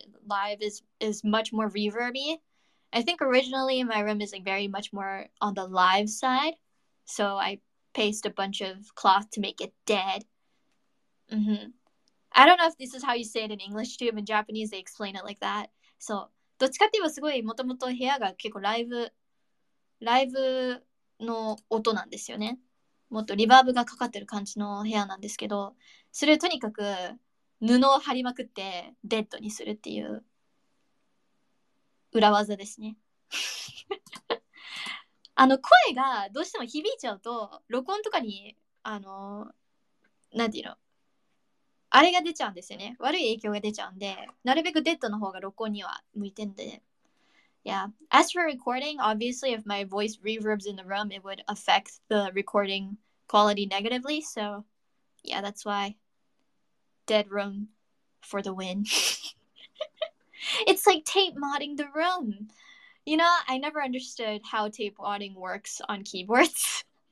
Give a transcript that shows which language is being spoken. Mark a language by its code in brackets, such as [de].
[en] Live is much more reverb-y. I think originally my room is like very much more on the live side. So I paste a bunch of cloth to make it dead. Mm-hmm. I don't know if this is how you say it in English too, but in Japanese they explain it like that. [ja] So どっちかって言えばすごいもともと部屋が結構ライブの音なんですよね。もっとリバーブがかかってる感じの部屋なんですけど、それをとにかく布を貼りまくってデッドにするっていう裏技ですね。あの声がどうしても響いちゃうと録音とかにあの何て言うの、あれが出ちゃうんですよね。悪い影響が出ちゃうんで、なるべくデッドの方が録音には向いてんで。 [en] Yeah. As for recording, obviously if my voice reverbs in the room, it would affect the recording quality negatively. So yeah, that's why dead room for the win. It's like tape modding the room. You know, I never understood how tape modding works on keyboards.